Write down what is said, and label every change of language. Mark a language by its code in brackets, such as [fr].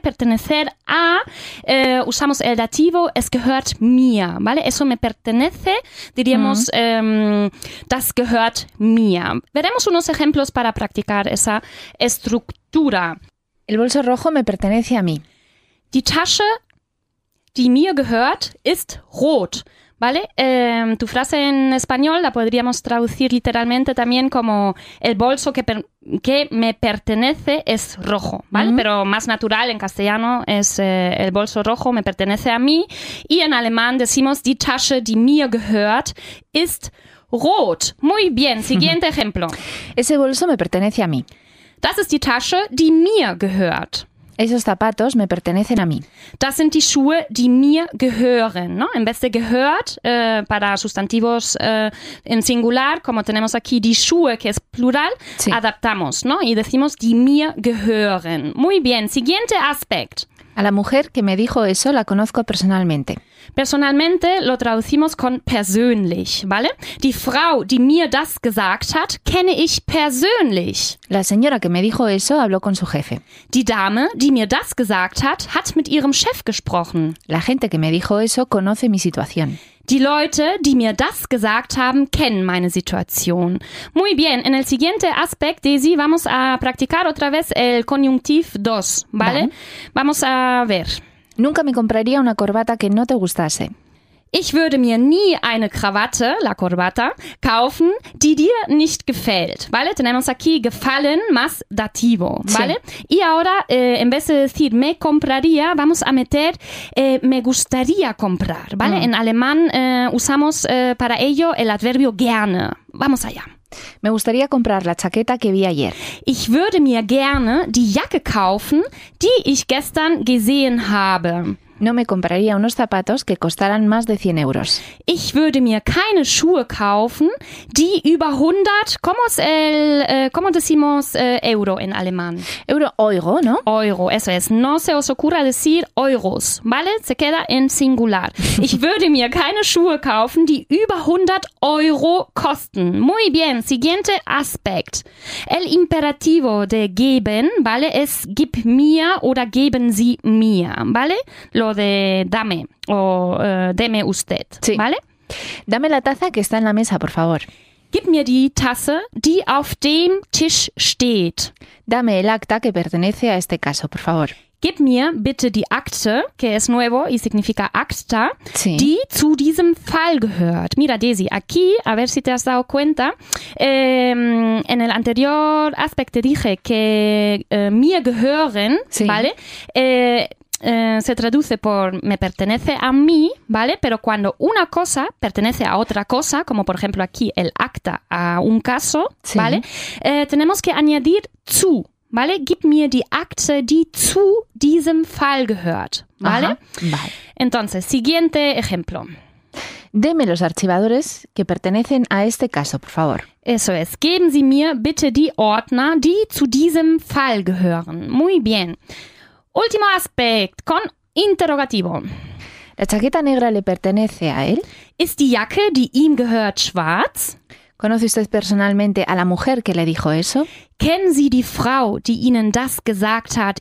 [es] Pertenecer a, usamos el dativo, [de] es gehört mir, [es] ¿vale? Eso me pertenece, diríamos, [de] das gehört mir. [es] Veremos unos ejemplos para practicar esa estructura. El bolso rojo me pertenece a mí. [de] Die Tasche, die mir gehört, ist rot. [es] ¿Vale? Tu frase en español la podríamos traducir literalmente también como el bolso que me pertenece es rojo, ¿vale? Mm. Pero más natural en castellano es el bolso rojo me pertenece a mí. Y en alemán decimos [de] die Tasche, die mir gehört, ist rot. [es] Muy bien, siguiente ejemplo. Ese bolso me pertenece a mí. [de] Das ist die Tasche, die mir gehört. [es] Esos zapatos me pertenecen a mí. [de] Das sind die Schuhe, die mir gehören, ¿no? [es] En vez de gehört, para sustantivos en singular, como tenemos aquí die Schuhe, que es plural, sí. Adaptamos, ¿no? Y decimos [de] die mir gehören. [es] Muy bien, siguiente aspect. A la mujer que me dijo eso la conozco personalmente. Personalmente lo traducimos con persönlich, ¿vale? [de] Die Frau, die mir das gesagt hat, kenne ich persönlich. [es] La señora que me dijo eso habló con su jefe. [de] Die Dame, die mir das gesagt hat, hat mit ihrem Chef gesprochen. [es] La gente que me dijo eso conoce mi situación. [de] Die Leute, die mir das gesagt haben, kennen meine Situation. [es] Muy bien, en el siguiente aspect, Daisy, vamos a practicar otra vez el conjuntiv 2, ¿vale? [de] Dann. [es] Vamos a ver. Nunca me compraría una corbata que no te gustase. [de] Ich würde mir nie eine Krawatte, [es] la corbata, [de] kaufen, die dir nicht gefällt. [es] ¿Vale? Tenemos aquí gefallen más dativo. ¿Vale? Sí. Y ahora, en vez de decir me compraría, vamos a meter me gustaría comprar. ¿Vale? Mm. En alemán usamos para ello el adverbio gerne. Vamos allá. Me gustaría comprar la chaqueta que vi ayer. [de] Ich würde mir gerne die Jacke kaufen, die ich gestern gesehen habe. [es] No me compraría unos zapatos que costaran más de 100 euros. [de] Ich würde mir keine Schuhe kaufen, die über 100... [es] ¿Cómo es el, cómo decimos euro en alemán? Euro, euro, ¿no? Euro, eso es. No se os ocurra decir euros, ¿vale? Se queda en singular. [de] Ich würde mir keine Schuhe kaufen, die über 100 euro kosten. [es] Muy bien, siguiente aspect. El imperativo de geben, ¿vale? [de] Es gib mir oder geben Sie mir, ¿vale? [es] Lo de dame o deme usted, sí. ¿Vale? Dame la taza que está en la mesa, por favor. [de] Gib mir die Tasse, die auf dem Tisch steht. [es] Dame el acta que pertenece a este caso, por favor. [de] Gib mir bitte die Akte, [es] que es nuevo y significa acta, sí, [de] die zu diesem Fall gehört. [es] Mira, Daisy, aquí, a ver si te has dado cuenta, en el anterior aspecto dije que mir gehören, sí, ¿vale? Se traduce por me pertenece a mí, ¿vale? Pero cuando una cosa pertenece a otra cosa, como por ejemplo aquí el acta a un caso, sí, ¿vale? Tenemos que añadir zu, ¿vale? [de] Gib mir die Akte, die zu diesem Fall gehört, ¿vale? [es] Ajá, vale. Entonces, siguiente ejemplo. Deme los archivadores que pertenecen a este caso, por favor. Eso es. [de] Geben Sie mir bitte die Ordner, die zu diesem Fall gehören. [es] Muy bien. Último aspecto, con interrogativo. ¿La chaqueta negra le pertenece a él? [de] ¿Es die Jacke, die ihm gehört, schwarz? [es] ¿Conoce usted personalmente a la mujer que le dijo eso? [de] ¿Kennen Sie die Frau, die Ihnen das gesagt hat?